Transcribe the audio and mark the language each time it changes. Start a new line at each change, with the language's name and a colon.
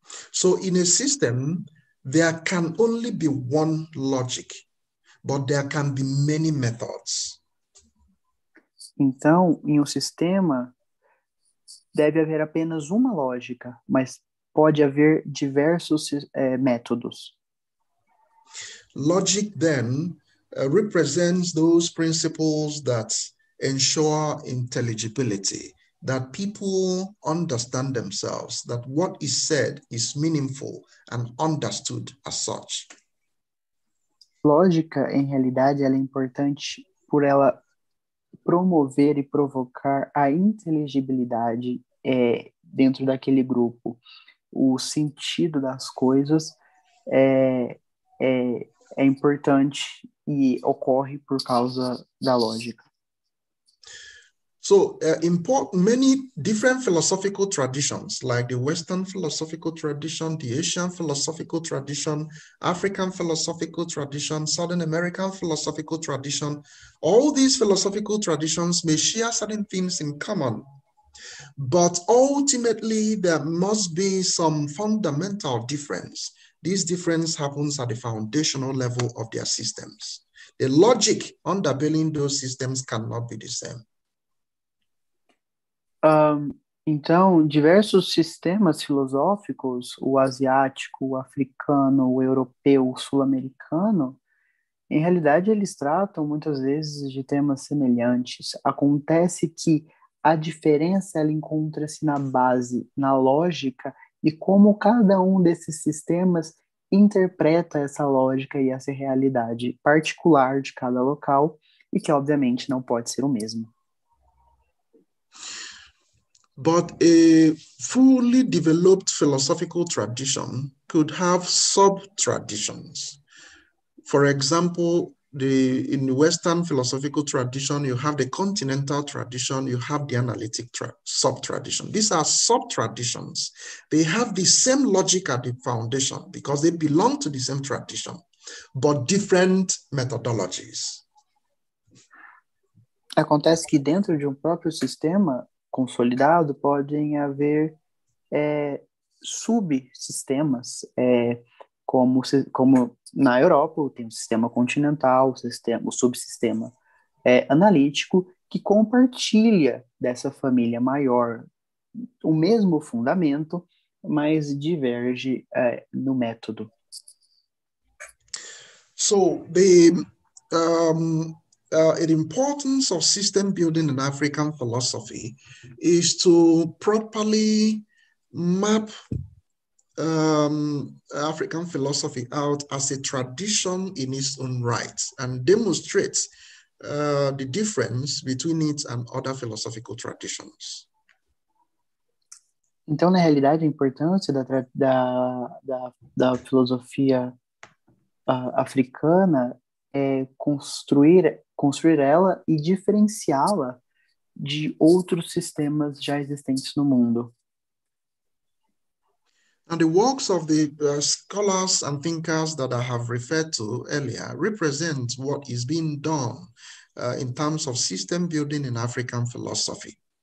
English: So, in a system, there can only be one logic, but there can be many methods.
Portuguese: Então, em um sistema, deve haver apenas uma lógica, mas pode haver diversos métodos.
English: Logic, then, represents those principles that ensure intelligibility, that people understand themselves, that what is said is meaningful and understood as such.
Portuguese: Lógica, em realidade, ela é importante por ela promover e provocar a inteligibilidade dentro daquele grupo. O sentido das coisas é importante e ocorre por causa da lógica.
English: So, many different philosophical traditions, like the Western philosophical tradition, the Asian philosophical tradition, African philosophical tradition, Southern American philosophical tradition, all these philosophical traditions may share certain things in common. But ultimately, there must be some fundamental difference. This difference happens at the foundational level of their systems. The logic underpinning those systems cannot be the same.
Portuguese: Então, diversos sistemas filosóficos, o asiático, o africano, o europeu, o sul-americano, em realidade, eles tratam muitas vezes de temas semelhantes. Acontece que a diferença ela encontra-se na base, na lógica, e como cada um desses sistemas interpreta essa lógica e essa realidade particular de cada local, e que obviamente não pode ser o mesmo.
English: But a fully developed philosophical tradition could have sub-traditions. For example, in the Western philosophical tradition, you have the continental tradition, you have the analytic sub-tradition. These are sub-traditions. They have the same logic at the foundation because they belong to the same tradition, but different methodologies.
Portuguese: Acontece que dentro de próprio sistema consolidado, podem haver subsistemas, como na Europa, tem o sistema continental, o subsistema analítico, que compartilha dessa família maior o mesmo fundamento, mas diverge no método.
English: So, the importance of system building in African philosophy is to properly map African philosophy out as a tradition in its own right and demonstrate the difference between it and other philosophical traditions.
Portuguese: Então, na realidade, a importância da filosofia africana é construir ela e diferenciá-la de outros sistemas já existentes no mundo.
English: And the works of the scholars and thinkers that I have referred to earlier represent what is being done in terms of system building in African philosophy.